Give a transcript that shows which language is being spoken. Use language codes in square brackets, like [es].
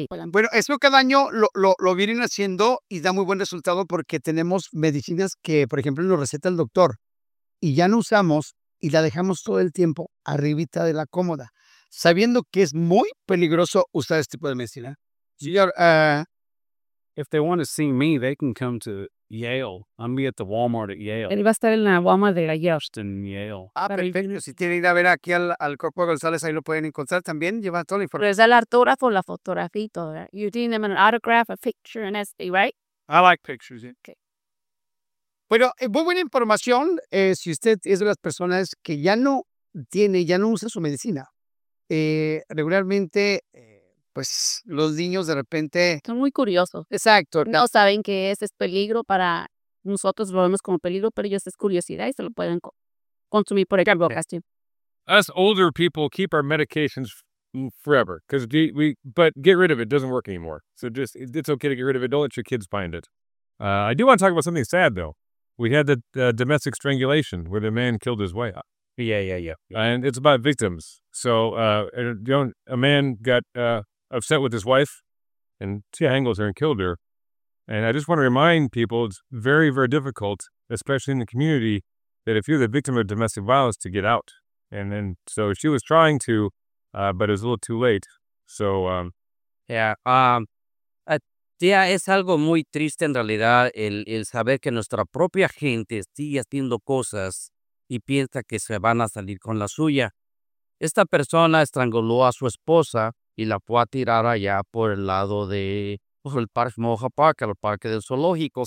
[es] Bueno, eso cada año lo vienen haciendo y da muy buen resultado porque tenemos medicinas que, por ejemplo, nos receta el doctor y ya no usamos y la dejamos todo el tiempo arribita de la cómoda, sabiendo que es muy peligroso usar este tipo de medicina. Señor, [en] if they want to see me, they can come to Yale. I'm be at the Walmart at Yale. [es] Él va a estar en la Walmart de Yale. Austin, Yale. Ah, perfecto. Si tienen que ir a ver aquí al Corpo González, ahí lo pueden encontrar también. Lleva toda la información. Pero es el autógrafo, la fotografía y todo. [en] ¿Eh? You're giving them an autograph, a picture, an essay, right? I like pictures, yeah. Okay. [es] Bueno, muy buena información. Si usted es de las personas que ya no tiene, ya no usa su medicina, regularmente... pues los niños de repente... son muy curiosos. Exacto. No saben que ese es peligro para nosotros, lo vemos como peligro, pero ellos es curiosidad y se lo pueden consumir por equivocación. [en] Us older people keep our medications forever. But get rid of it, doesn't work anymore. So just, it's okay to get rid of it. Don't let your kids find it. I do want to talk about something sad, though. We had the domestic strangulation where the man killed his wife. Yeah. And it's about victims. So a man got... upset with his wife and strangled her and killed her. And I just want to remind people, it's very, very difficult, especially in the community, that if you're the victim of domestic violence, to get out. And then, so she was trying to, but it was a little too late. So, [es] tía, es algo muy triste en realidad el saber que nuestra propia gente sigue haciendo cosas y piensa que se van a salir con la suya. Esta persona estranguló a su esposa y la fue a tirar allá por el lado de el Parque Moja Park, al parque del zoológico.